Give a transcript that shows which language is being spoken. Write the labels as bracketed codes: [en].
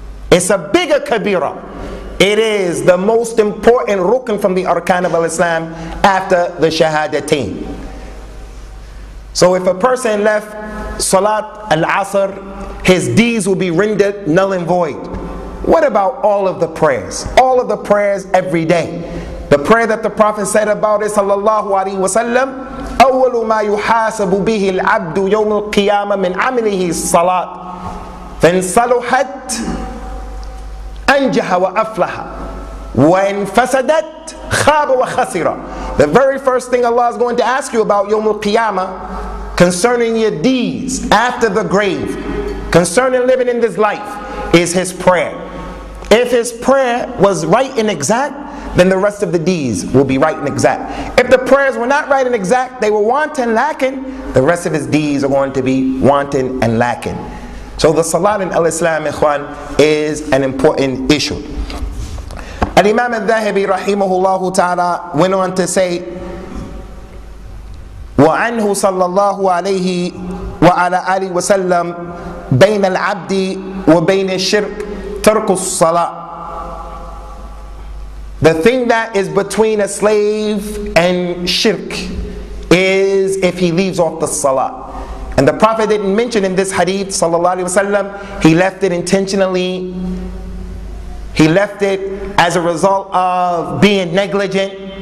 [en] It's a bigger kabira. It is the most important rukn from the arkan of al-Islam after the shahadatain. So if a person left salat al-asr, his deeds will be rendered null and void. What about all of the prayers? All of the prayers every day. The prayer that the Prophet said about it, sallallahu alayhi wa sallam, [ar] أَوَّلُ مَا يُحَاسَبُ بِهِ الْعَبْدُ يَوْمُ الْقِيَامَةِ مِنْ عَمِلِهِ الصَّلَاةِ فَإِنْ صَلُحَتْ أَنْجَحَ وَأَفْلَحَ وَإِنْ فَسَدَتْ خَابَ وَخَسِرَ. [en] The very first thing Allah is going to ask you about Yawm al-Qiyamah, concerning your deeds after the grave, concerning living in this life, is his prayer. If his prayer was right and exact, then the rest of the deeds will be right and exact. If the prayers were not right and exact, they were wanting, lacking, the rest of his deeds are going to be wanting and lacking. So the salat in al-Islam, ikhwan, is an important issue. Al-Imam al-Dhahibi, rahimahullahu ta'ala, went on to say, [ar] وَعَنْهُ صَلَّى اللَّهُ عَلَيْهِ وَعَلَىٰ آلِهِ وَسَلَّمْ بَيْنَ الْعَبْدِ وَبَيْنَ الشِّرْكِ تَرْكُ الصَّلَاةِ. [en] The thing that is between a slave and shirk is if he leaves off the salah. And the Prophet didn't mention in this hadith, sallallahu alayhi wa sallam, he left it intentionally. He left it as a result of being negligent.